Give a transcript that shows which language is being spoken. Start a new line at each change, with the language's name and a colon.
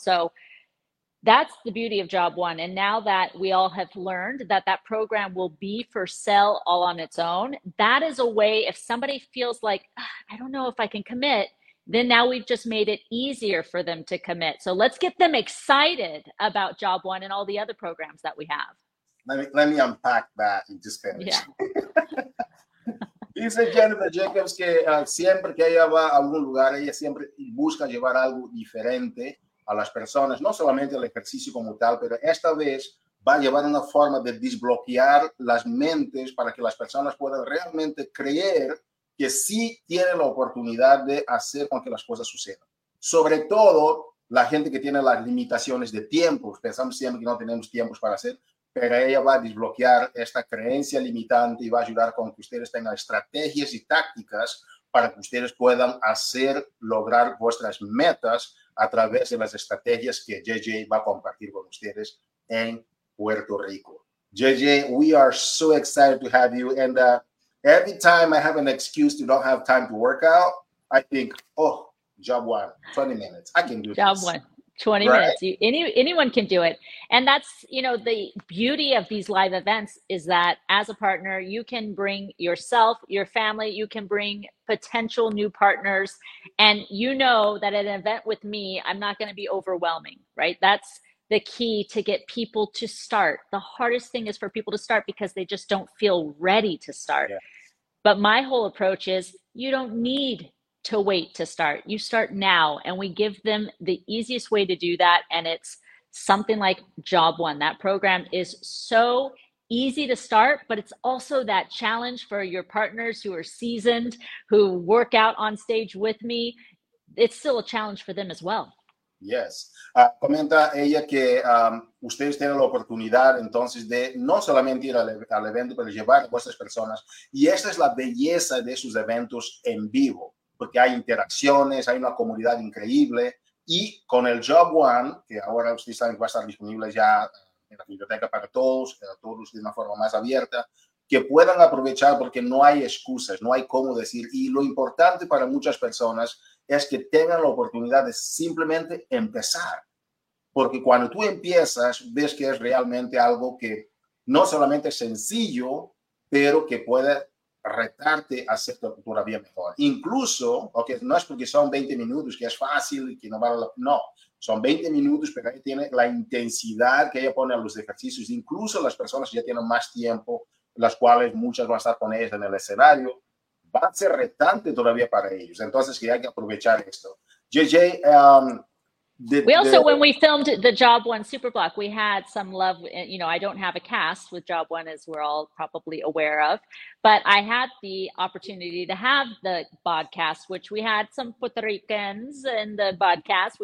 English: So that's the beauty of Job One. And now that we all have learned that that program will be for sale all on its own, that is a way if somebody feels like, I don't know if I can commit. Then now we've just made it easier for them to commit. So let's get them excited about Job One and all the other programs that we have. Let me unpack that in Spanish. Yeah.
Spanish: Dice Jennifer Jacobs que siempre que ella va a algún lugar, ella siempre busca llevar algo diferente a las personas, no solamente el ejercicio como tal, pero esta vez va a llevar una forma de desbloquear las mentes para que las personas puedan realmente creer que sí tienen la oportunidad de hacer con que las cosas sucedan. Sobre todo la gente que tiene las limitaciones de tiempo, pensamos siempre que no tenemos tiempos para hacer. Pero ella va a desbloquear esta creencia limitante y va a ayudar con que ustedes tengan estrategias y tácticas para que ustedes puedan hacer lograr vuestras metas a través de las estrategias que JJ va a compartir con ustedes en Puerto Rico.
English: JJ, we are so excited to have you. And every time I have an excuse to not have time to work out, I think, oh, job one, 20 minutes, I can do Job this. one, 20 Right. minutes. Anyone can do it. And that's, you know, the beauty of these live events is that as a partner, you can bring yourself, your family, you can bring potential new partners. And you know that at an event with me, I'm not going to be overwhelming, right? That's the key to get people to start. The hardest thing is for people to start because they just don't feel ready to start. But my whole approach is you don't need to wait to start. You start now, and we give them the easiest way to do that. And it's something like Job One. That program is so easy to start, but it's also that challenge for your partners who are seasoned, who work out on stage with me. It's still a challenge for them as well. Yes.
Spanish: Comenta ella que ustedes tienen la oportunidad entonces de no solamente ir al evento, pero llevar a vuestras personas. Y esta es la belleza de sus eventos en vivo, porque hay interacciones, hay una comunidad increíble. Y con el Job One, que ahora ustedes saben que va a estar disponible ya en la biblioteca para todos de una forma más abierta, que puedan aprovechar porque no hay excusas, no hay cómo decir. Y lo importante para muchas personas es que tengan la oportunidad de simplemente empezar. Porque cuando tú empiezas, ves que es realmente algo que no solamente es sencillo, pero que puede retarte a ser todavía mejor. Incluso, okay, no es porque son 20 minutos, que es fácil y que no vale la pena. No, son 20 minutos, pero ahí tiene la intensidad que ella pone a los ejercicios. Incluso las personas que ya tienen más tiempo, las cuales muchas van a estar con ellas en el escenario, va a ser retante todavía para ellos. Entonces, que hay que aprovechar esto. JJ,
English: When we filmed the Job One Superblock, we had some love, you know, I don't have a cast with Job One, as we're all probably aware of, but I had the opportunity to have the podcast, which we had some Puerto Ricans in the podcast.